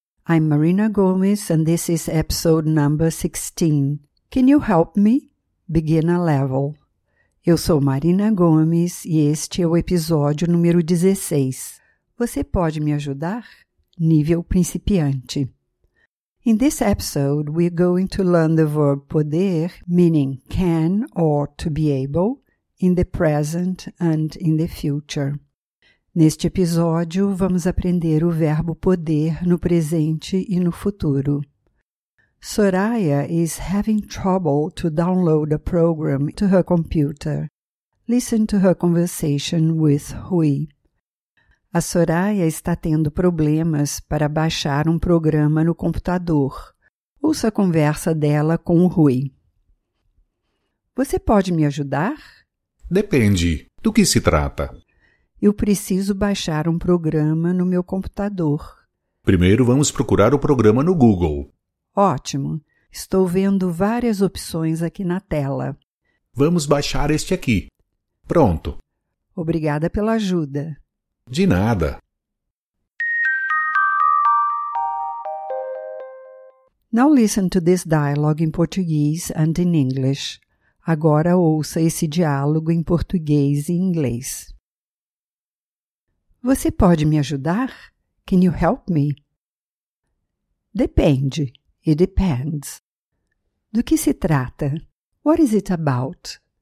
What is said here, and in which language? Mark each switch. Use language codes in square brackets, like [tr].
[en] I'm Marina Gomes and this is episode number 16. Can you help me? Beginner level. [pt] Eu sou Marina Gomes e este é o episódio número 16. Você pode me ajudar? Nível principiante. [en] In this episode, we're going to learn the verb poder, meaning can or to be able, in the present and in the future. [pt] Neste episódio, vamos aprender o verbo poder no presente e no futuro. [en] Soraya is having trouble to download a program to her computer. Listen to her conversation with Rui. [pt] A Soraya está tendo problemas para baixar um programa no computador. Ouça a conversa dela com o Rui. Você pode me ajudar? Depende. Do que se trata? Eu preciso baixar um programa no meu computador. Primeiro vamos procurar o programa no Google. Ótimo. Estou vendo várias opções aqui na tela. Vamos baixar este aqui. Pronto. Obrigada pela ajuda. De nada. [en] Now listen to this dialogue in Portuguese and in English. [pt] Agora ouça esse diálogo em português e inglês. Você pode me ajudar? [en] Can you help me? [pt] Depende. [en] It depends. [pt] Do que se trata? [en] What is it about?